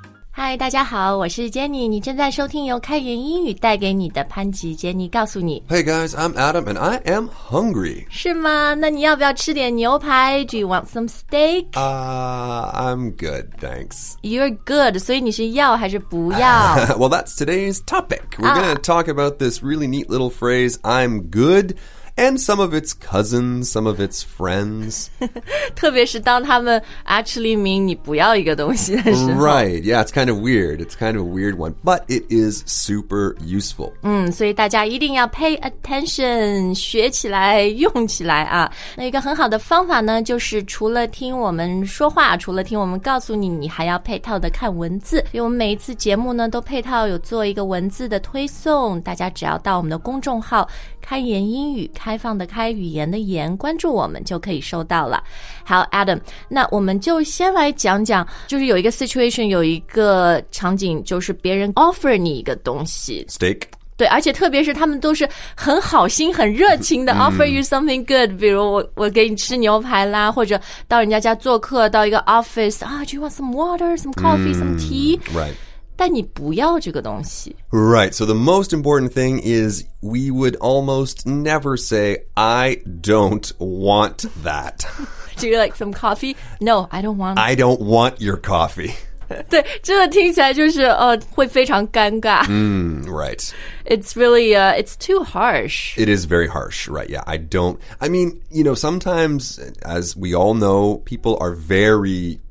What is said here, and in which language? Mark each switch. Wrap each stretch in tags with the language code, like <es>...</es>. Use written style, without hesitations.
<zh>嗨，大家好，我是 Jenny， 你正在收听由开言英语带给你的潘吉 Jenny 告诉你。</zh> <en>Hey guys, I'm Adam and I am hungry.</en> <zh>是吗？那你要不要吃点牛排？</zh> <en>Do you want some steak? I'm good, thanks. You're good,</en> <zh>所以你是要还是不要？</zh> <en>Well, that's today's topic. We're going to talk about this really neat little phrase, I'm good. And some of its cousins, some of its friends.</en> <zh>特别是当他们</zh> <en>actually mean</en> <zh>你不要一个东西的时候。</zh> <en>Right, yeah, it's kind of weird. It's kind of a weird one. But it is super useful.</en> <zh>所以大家一定要</zh> <en>pay attention,</en> <zh>学起来用起来啊。那一个很好的方法呢就是除了听我们说话除了听我们告诉你你还要配套的看文字。因为我们每一次节目呢都配套有做一个文字的推送。大家只要到我们的公众号开言英语开放的开语言的言关注我们就可以收到了。好 Adam, 那我们就先来讲讲就是有一个 situation, 有一个场景就是别人 offer 你一个东西。</zh> <en>Steak.</en> <zh>对而且特别是他们都是很好心很热情的</zh> <en>offer you something good,</en> <zh>比如我给你吃牛排啦或者到人家家做客到一个 office, 啊、</zh> <en>do you want some water, some coffee, some tea? Right.</en> <zh>但你不要这个东西。</zh> <en>Right, so the most important thing is we would almost never say, I don't want that. Do you like some coffee? No, I don't want it. I don't want your coffee.</en> <zh>对,这个听起来就是会非常尴尬。</zh> <en>Right. It's really, it's too harsh. It is very harsh, right, yeah. I mean, you know, sometimes, as we all know, people are very...</en>